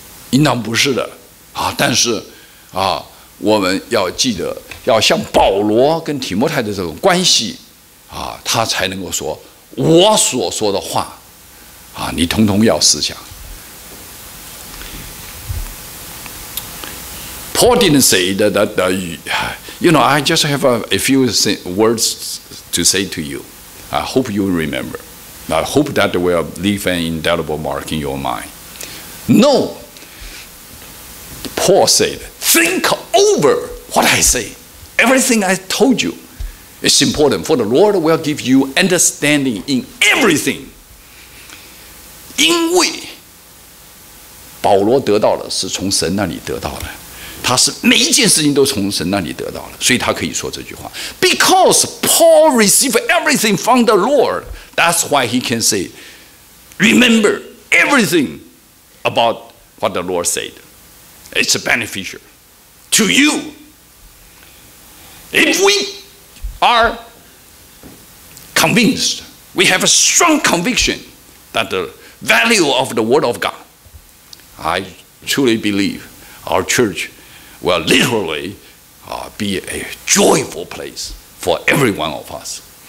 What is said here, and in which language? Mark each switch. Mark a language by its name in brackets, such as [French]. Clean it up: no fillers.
[Chinese] 应当不是的但是我们要记得要像保罗跟提摩太的这种关系他才能够说我所说的话你统统要思想。 [English] Paul didn't say that you know, I just have a few words to say to you. I hope you remember. I hope that will leave an indelible mark in your mind. No. Paul said, think over what I say. Everything I told you is important, for the Lord will give you understanding in everything. [Chinese] 因为保罗得到的是从神那里得到的。他是每一件事情都从神那里得到了，所以他可以说这句话。 [English] Because Paul received everything from the Lord, that's why he can say, remember everything about what the Lord said. It's beneficial to you. If we are convinced, we have a strong conviction that the value of the Word of God, I truly believe our church will literally be a joyful place for every one of us.